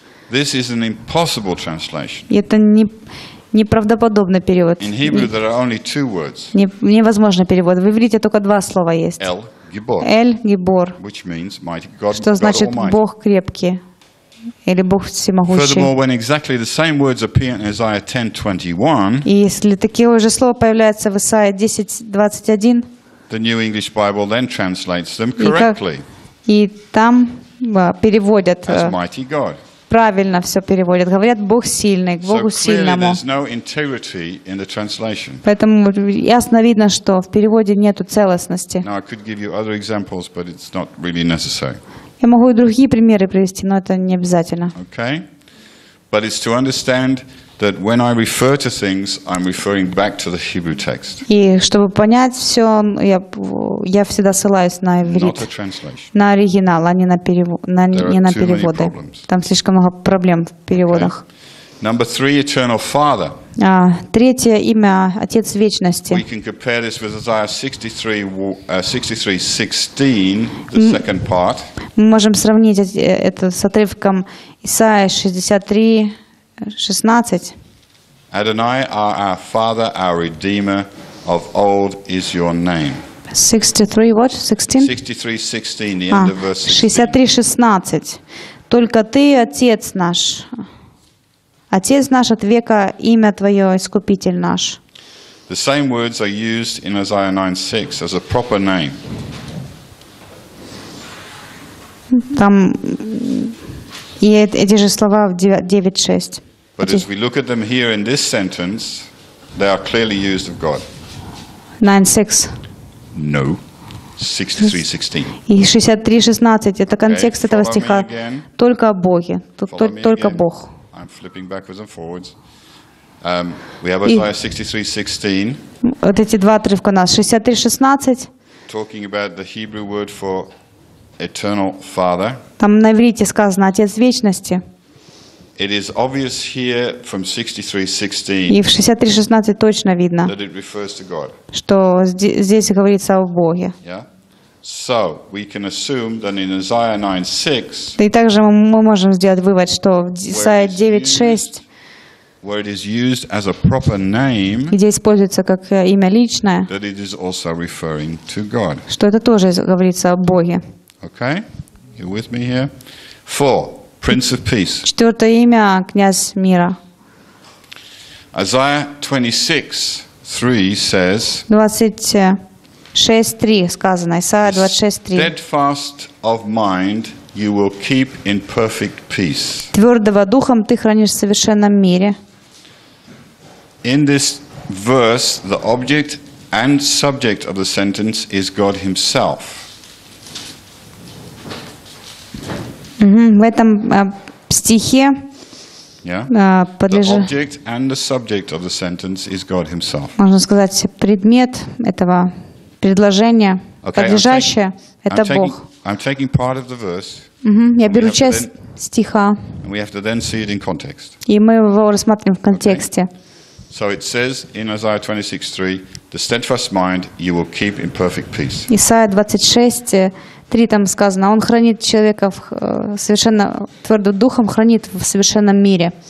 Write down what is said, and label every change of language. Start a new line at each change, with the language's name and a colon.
English: This is an impossible translation.
Russian: Это неправдоподобный перевод.
English: In Hebrew there are only two words.
Russian: Невозможный перевод. В иврите только два слова есть.
Hebrew: El Gibor. El Gibor.
English: Which means mighty God.
Russian: Что значит Бог крепкий? Или Бог всемогущий.
English: Furthermore, when exactly the same words appear in Isaiah 10:21,
Russian: если такие же слова появляются в Исаии 10:21,
English: the New English Bible then translates them correctly.
Russian: И там переводят.
English: As mighty God.
Russian: Правильно все переводят. Говорят Бог сильный, к Богу сильному.
English: So clearly, there's no integrity in the translation.
Russian: Поэтому ясно видно, что в переводе нету целостности.
English: Now I could give you other examples, but it's not really necessary.
Russian: Я могу и другие примеры привести, но это не обязательно.
English: Okay, but it's to understand that when I refer to things, I'm referring back to the Hebrew text.
Russian: И чтобы понять все, я всегда ссылаюсь на иврит, на оригинал, а не на перевод, не на переводы. Там слишком много проблем в переводах.
English: Okay. Number three, Eternal Father.
Russian: Третье имя Отец Вечности.
English: We can compare this with Isaiah 63:16, the second part.
Russian: Мы можем сравнить это с отрывком Исаия 63:16.
English: Adonai, our Father, our Redeemer of old is your name. 63 what? 16? 63:16, the end of verse 63:16.
Russian: Только ты, Отец наш. Отец наш от века, имя Твое, Искупитель наш.
English: The same words are used in Isaiah 9:6 as a proper name.
Russian: Там и эти же слова в 9:6.
English: But as we look at them here in this sentence, they are clearly used of God. 9:6. No. 63:16.
Russian: И 63:16. Это контекст этого стиха. Только о Боге. Только Бог.
English: I'm flipping backwards and forwards. We have Isaiah 63:16.
Russian: Вот эти два отрывка у нас. 63:16.
English: Talking about the Hebrew word for eternal Father.
Russian: Там на иврите сказано Отец Вечности.
English: It is obvious here from 63:16.
Russian: И в 63:16 точно видно.
English: That it refers to God.
Russian: Что здесь говорится о Боге.
English: Yeah. So we can assume that in Isaiah 9:6.
Russian: Да и также мы можем сделать вывод, что в Исаии 9:6.
English: Where it is used as a proper name.
Russian: Где используется как имя личное.
English: That it is also referring to God.
Russian: Что это тоже говорится о Боге.
English: Okay, you with me here? Four, Prince of Peace.
Russian: Четвертое имя, князь мира.
English: Isaiah 26:3 says.
Russian: 26:3 сказано. Исаия 26:3.
English: Steadfast of mind, you will keep in perfect peace.
Russian: Твердого духом ты хранишь в совершенном мире.
English: In this verse, the object And subject of the sentence is God Himself.
Russian: В этом стихе подлежит.
English: The object and the subject of the sentence is God Himself.
Russian: Можно сказать, предмет этого предложения, подлежащее, это Бог.
English: I'm taking part of the verse.
Russian: Я беру часть стиха.
English: And we have to then see it in context.
Russian: И мы его рассматриваем в контексте.
English: So it says in Isaiah 26:3, the steadfast mind you will keep in perfect peace.
Russian: Исайя 26:3 там сказано, он хранит человека в совершенно твердым духом, хранит в совершенном мире.